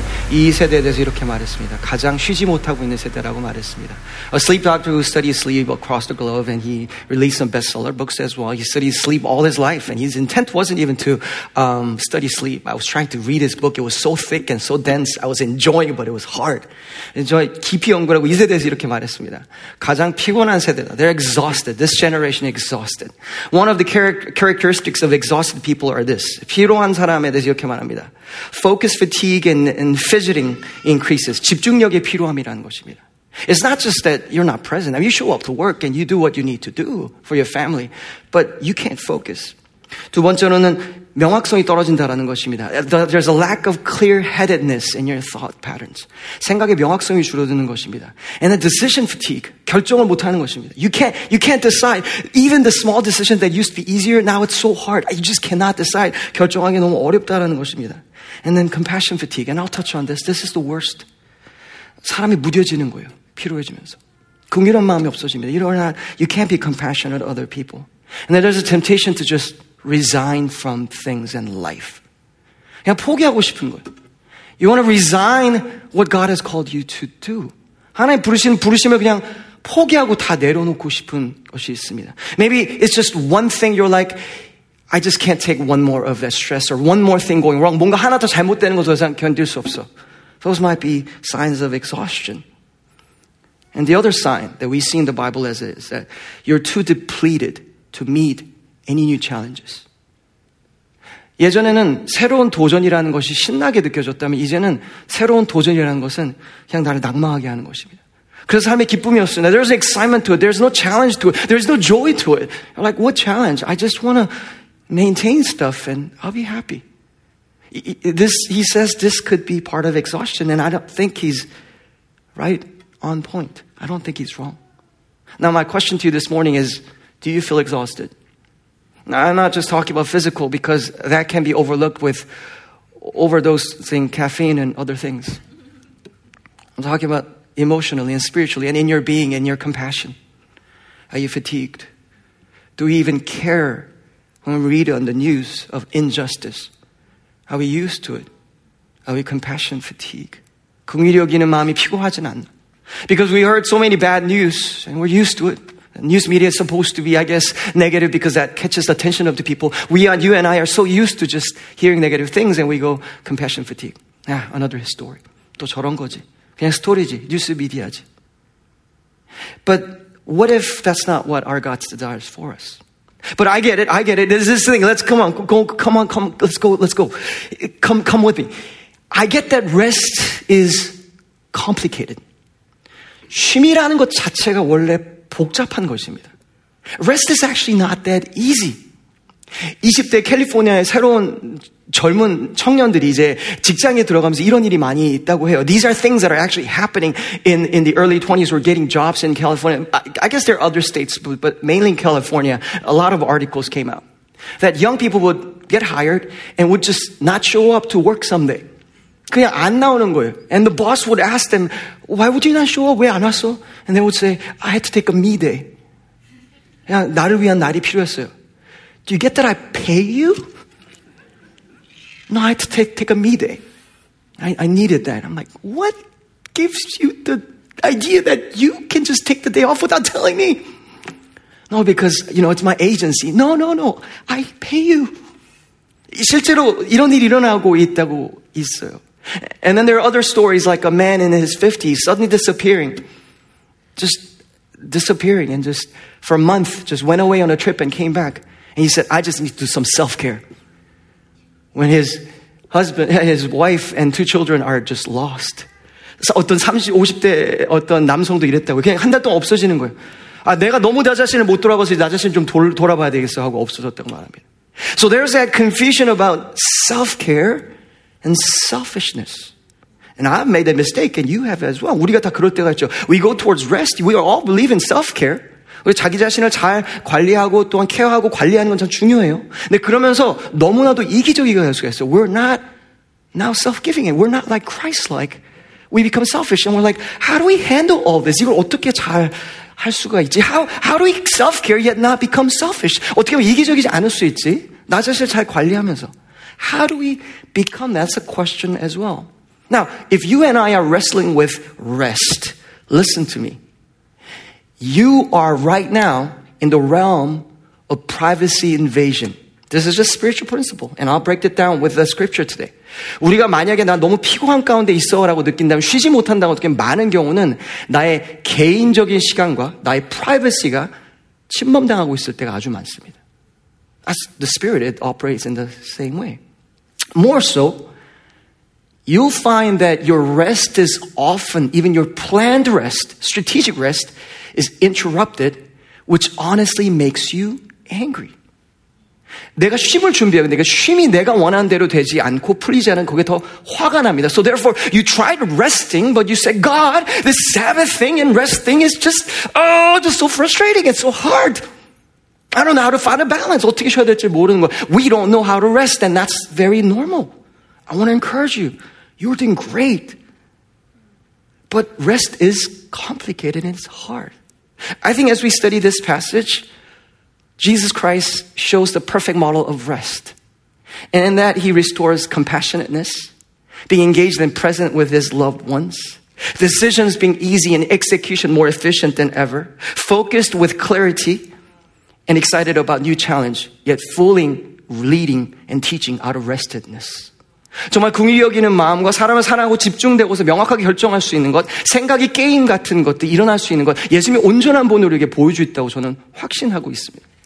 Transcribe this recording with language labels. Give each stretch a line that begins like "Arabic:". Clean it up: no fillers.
Korean: 이 세대에 대해서 이렇게 말했습니다. 가장 쉬지 못하고 있는 세대라고 말했습니다.
English: A sleep doctor who studies sleep across the globe and he released some bestseller books as well. He studied sleep all his life and his intent wasn't even to study sleep. I was trying to read his book. It was so thick and so dense. I was enjoying it, but it was hard.
Korean: 깊이 연구하고 이 세대에서 이렇게 말했습니다. 가장 피곤한 세대다.
English: They're exhausted. This generation is exhausted. One of the characteristics of exhausted people are this.
Korean: 피로한 사람에 대해서 이렇게 말합니다.
English: Focus fatigue and fidgeting increases.
Korean: 집중력의 피로함이라는 것입니다.
English: It's not just that you're not present. I mean, you show up to work and you do what you need to do for your family, but you can't focus.
Korean: 두 번째로는 명확성이 떨어진다라는 것입니다.
English: There's a lack of clear-headedness in your thought patterns.
Korean: 생각의 명확성이 줄어드는 것입니다.
English: And a decision fatigue.
Korean: 결정을 못하는 것입니다.
English: You can't decide. Even the small decision that used to be easier, now it's so hard. You just cannot decide.
Korean: 결정하기 너무 어렵다라는 것입니다.
English: And then compassion fatigue. And I'll touch on this. This is the worst.
Korean: 사람이 무뎌지는 거예요. 피로해지면서. 긍휼한 마음이 없어집니다.
English: You can't be compassionate to other people. And then there's a temptation to just resign from things in life.
Korean: 그냥 포기하고 싶은 거예요.
English: You want to resign what God has called you to do.
Korean: 하나님 부르신 부르심을 그냥 포기하고 다 내려놓고 싶은 것이 있습니다.
English: Maybe it's just one thing you're like, I just can't take one more of that stress or one more thing going wrong.
Korean: 뭔가 하나 더 잘못되는 것을 더 이상 견딜 수 없어.
English: Those might be signs of exhaustion. And the other sign that we see in the Bible as is that you're too depleted to meet any new challenges.
Korean: 예전에는 새로운 도전이라는 것이 신나게 느껴졌다면 이제는 새로운 도전이라는 것은 그냥 나를 낙망하게 하는 것입니다. 그래서 삶의 기쁨이 없습니다.
English: There's no excitement to it. There's no challenge to it. There's no joy to it. You're like, what challenge? I just want to maintain stuff and I'll be happy. He says this could be part of exhaustion and I don't think he's right on point. I don't think he's wrong. Now my question to you this morning is, do you feel exhausted? I'm not just talking about physical because that can be overlooked with overdosing caffeine and other things. I'm talking about emotionally and spiritually and in your being, in your compassion. Are you fatigued? Do we even care when we read on the news of injustice? Are we used to it? Are we compassion fatigue?
Korean: 긍휼히 여기는 마음이 피곤하진 않나?
English: Because we heard so many bad news and we're used to it. News media is supposed to be, I guess, negative because that catches the attention of the people. You and I are so used to just hearing negative things and we go, compassion fatigue. Ah, another story.
Korean: 또 저런 거지. 그냥 스토리지. 뉴스 미디어지.
English: But what if that's not what our God desires for us? But I get it. This is the thing. Let's go. Come with me. I get that rest is complicated.
Korean: 쉼이라는 것 자체가 원래 복잡한 것입니다.
English: Rest is actually not that easy.
Korean: 20대 캘리포니아의 새로운 젊은 청년들이 이제 직장에 들어가면서 이런 일이 많이 있다고 해요.
English: These are things that are actually happening in the early 20s. We're getting jobs in California. I guess there are other states, but mainly in California, a lot of articles came out that young people would get hired and would just not show up to work someday.
Korean: 그냥 안 나오는 거예요.
English: And the boss would ask them, why would you not show up?
Korean: 왜 안 왔어?
English: And they would say, I had to take a me day.
Korean: 그냥 나를 위한 날이 필요했어요.
English: Do you get that I pay you? No, I had to take a me day. I needed that. I'm like, what gives you the idea that you can just take the day off without telling me? No, because, you know, it's my agency. No. I pay you.
Korean: 실제로 이런 일이 일어나고 있다고 있어요.
English: And then there are other stories like a man in his 50s suddenly disappearing and just for a month just went away on a trip and came back. And he said, I just need to do some self-care. When his husband, his wife and two children are just lost.
Korean: 어떤 30, 50대 어떤 남성도 이랬다고 그냥 한 달 동안 없어지는 거예요. 아, 내가 너무 나 자신을 못 돌아봐서 나 자신을 좀 돌아봐야 되겠어 하고 없어졌다고 말합니다.
English: So there's that confusion about self-care. And selfishness. And I've made that mistake, and you have as well.
Korean: 우리가 다 그럴 때가 있죠.
English: We go towards rest. We all believe in self-care.
Korean: 우리 자기 자신을 잘 관리하고 또한 케어하고 관리하는 건 참 중요해요. 근데 그러면서 너무나도 이기적이가 될 수가 있어요.
English: We're not now self-giving. We're not like Christ-like. We become selfish. And we're like, how do we handle all this?
Korean: 이걸 어떻게 잘 할 수가 있지?
English: How do we self-care yet not become selfish?
Korean: 어떻게 하면 이기적이지 않을 수 있지? 나 자신을 잘 관리하면서.
English: How do we become? That's a question as well. Now, if you and I are wrestling with rest, listen to me. You are right now in the realm of privacy invasion. This is a spiritual principle, and I'll break it down with the scripture today.
Korean: 우리가 만약에 나 너무 피곤한 가운데 있어라고 느낀다면 쉬지 못한다고 느낀 많은 경우는 나의 개인적인 시간과 나의 privacy가 침범당하고 있을 때가 아주 많습니다.
English: As the spirit, it operates in the same way. More so, you'll find that your rest is often, even your planned rest, strategic rest, is interrupted, which honestly makes you angry.
Korean: 내가 쉼을 준비하는데 그 쉼이 내가 원하는 대로 되지 않고 풀리지 않은 그게 더 화가 납니다.
English: So therefore, you tried resting, but you said, God, this Sabbath thing and resting is just, oh, just so frustrating. It's so hard. I don't know how to find a balance.
Korean: 어떻게 쉬어야 될지 모르는 거.
English: We don't know how to rest, and that's very normal. I want to encourage you. You're doing great. But rest is complicated and it's hard. I think as we study this passage, Jesus Christ shows the perfect model of rest. And in that, he restores compassionateness, being engaged and present with his loved ones, decisions being easy and execution more efficient than ever, focused with clarity, and excited about new challenge, yet fully leading and teaching out of restedness.
Korean: 정말 긍휼히 여기는 마음과 사람을 사랑하고 집중되고서 명확하게 결정할 수 있는 것, 생각이 게임 같은 것도 일어날 수 있는 것, 예수님이 온전한 본을 우리에게 보여주고 있다고 저는 확신하고 있습니다.